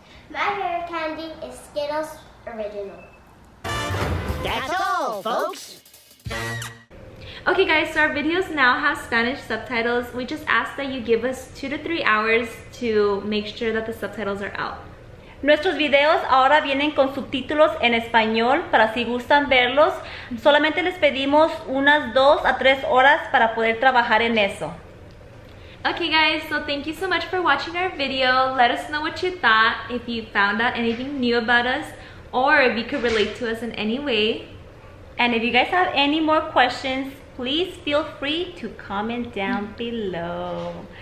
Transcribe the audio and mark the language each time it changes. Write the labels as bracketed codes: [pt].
[en] My favorite candy is Skittles Original. That's all, folks! Okay guys, so our videos now have Spanish subtitles. We just ask that you give us 2 to 3 hours to make sure that the subtitles are out. [es] Nuestros videos ahora vienen con subtítulos en español para si gustan verlos. Solamente les pedimos unas 2 a 3 horas para poder trabajar en eso. [en] Okay guys, so thank you so much for watching our video. Let us know what you thought, if you found out anything new about us, or if you could relate to us in any way. And if you guys have any more questions, please feel free to comment down below.